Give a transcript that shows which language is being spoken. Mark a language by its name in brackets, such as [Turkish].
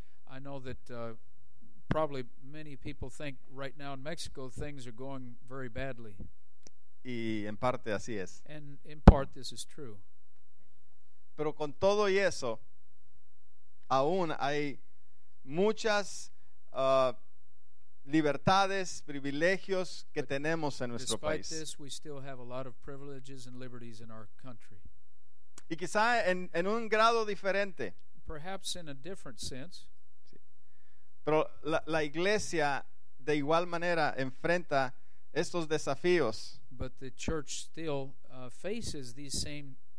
[English] I know that probably many people think right now in Mexico things are going very badly. [Spanish] Y en parte así es. [English] And in part this is true. [Spanish] Pero con todo y eso, aún hay muchas libertades, privilegios que [English] but [Spanish] tenemos en nuestro [English] despite [Spanish] país. [English] This, we still have a lot of privileges and liberties in our country. [Spanish] Y quizá en un grado diferente. [English] Perhaps in a different sense. [Spanish] Sí. Pero la iglesia de igual manera enfrenta estos desafíos. [English] But the church still faces these same